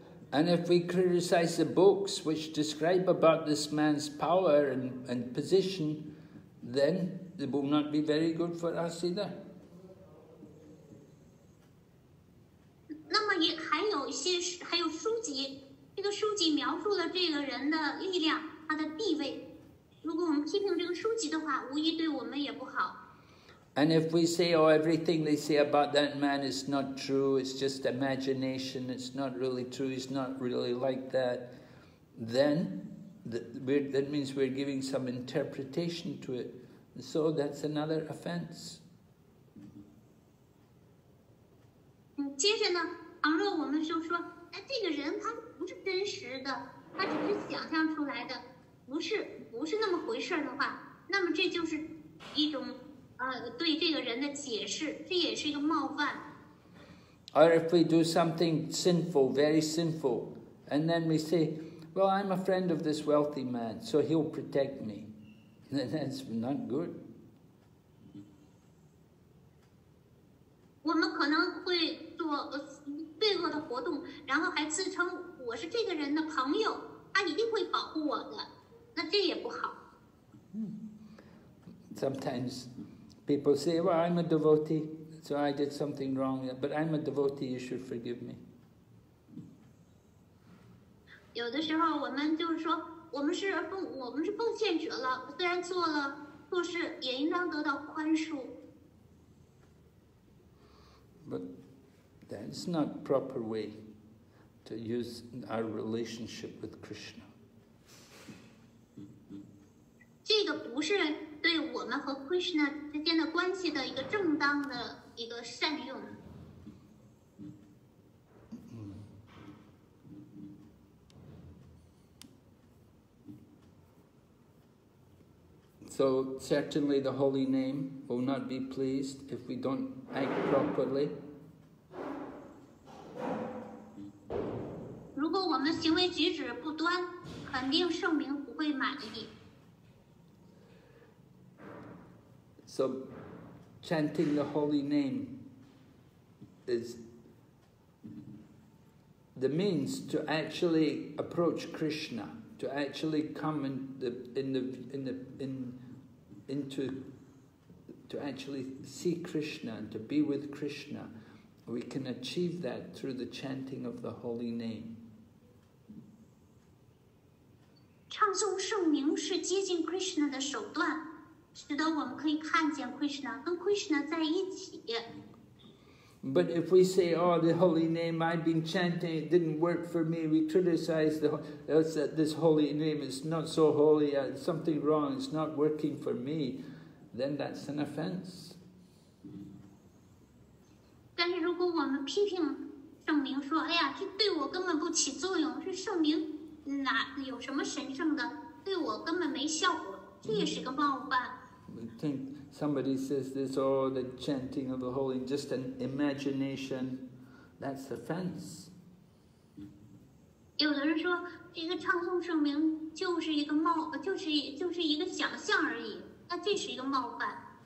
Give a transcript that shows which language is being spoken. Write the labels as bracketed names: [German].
[English] And if we criticize the books which describe about this man's power and position, then it will not be very good for us either. [Chinese] 那么也还有一些还有书籍，这个书籍描述了这个人的力量，他的地位。如果我们批评这个书籍的话，无疑对我们也不好。 [English] And if we say, oh, everything they say about that man is not true, it's just imagination, it's not really true, he's not really like that, then that means we're giving some interpretation to it. So that's another offense. [Chinese] 接着呢，倘若我们就说，哎，这个人他不是真实的，他只是想象出来的，不是那么回事的话，那么这就是一种对这个人的解释，这也是一个冒犯。 [English] Or if we do something sinful, very sinful, and then we say, well, I'm a friend of this wealthy man, so he'll protect me. Then that's not good. [Chinese] 我们可能会做罪恶的活动，然后还自称我是这个人的朋友，他一定会保护我的，那这也不好。 [English] Sometimes people say, well, I'm a devotee, so I did something wrong, but I'm a devotee, you should forgive me. [Chinese] 有的时候我们就是说，我们是奉献者了，虽然做了错事，也应当得到宽恕。 [English] But that's not proper way to use our relationship with Krishna. [Chinese] 这个不是对我们和 Krishna 之间的关系的一个正当的一个善用。 [English] So certainly the holy name will not be pleased if we don't act properly. [Chinese] 如果我们行为举止不端，肯定圣名不会满意。 [English] So chanting the holy name is the means to actually approach Krishna, to actually come to actually see Krishna and to be with Krishna. We can achieve that through the chanting of the holy name. [Chinese] 唱诵圣名是接近 Krishna 的手段。使得我们可以看见 Krishna 跟 Krishna 在一起。 [English] But if we say, oh, the holy name I've been chanting, it didn't work for me, we criticize this holy name, it's not so holy, something wrong, it's not working for me, then that's an offense. [Chinese] 但是如果我们批评圣名说，哎呀，这对我根本不起作用，这圣名哪有什么神圣的，对我根本没效果，这也是个冒犯。 [English] Think somebody says this, oh, the chanting of the holy, just an imagination, that's offense. [Chinese] 有的人说这个唱诵圣名就是一个冒，就是一个想象而已，那这是一个冒犯。